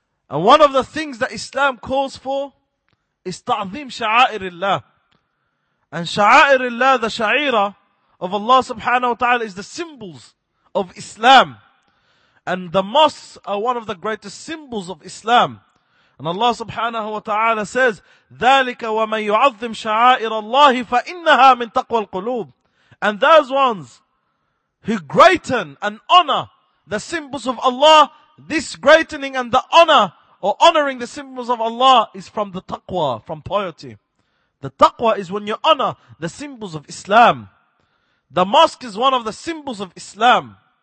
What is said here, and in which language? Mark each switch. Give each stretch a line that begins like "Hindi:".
English: And one of the things that Islam calls for is ta'zim sha'air Allah. And sha'air Allah, the sha'ira of Allah subhanahu wa ta'ala, is the symbols of Islam. And the mosques are one of the greatest symbols of Islam. And Allah subhanahu wa ta'ala says,
Arabic: ذَلِكَ وَمَنْ يُعَظِّمْ شَعَائِرَ اللَّهِ فَإِنَّهَا مِنْ تَقْوَى الْقُلُوبِ.
English: And those ones who greaten and honor the symbols of Allah, this greatening and the honor or honoring the symbols of Allah is from the taqwa, from piety. The taqwa is when you honor the symbols of Islam. The mosque is one of the symbols of Islam.